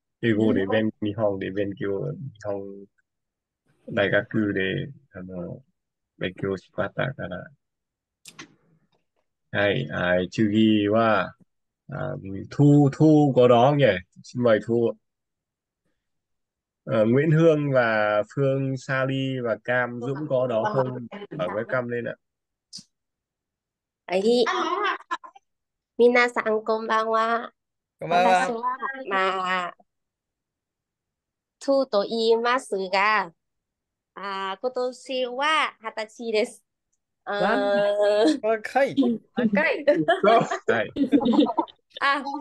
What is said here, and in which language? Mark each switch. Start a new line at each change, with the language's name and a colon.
Japanese: 英語で日本で勉強、日本大学で勉強しましたから。はい、はい、次は、トウゴロンへ、新米トウ。
Vietnamese: Nguyễn Hương và Phương Sally và Cam Dũng có đó không? Ở với Cam lên ạ.
Japanese: はい、みなさんこんばんは。こんばん私は。は、まあ、トゥと言いますが、今年は20歳です。なんだ、若い。はい。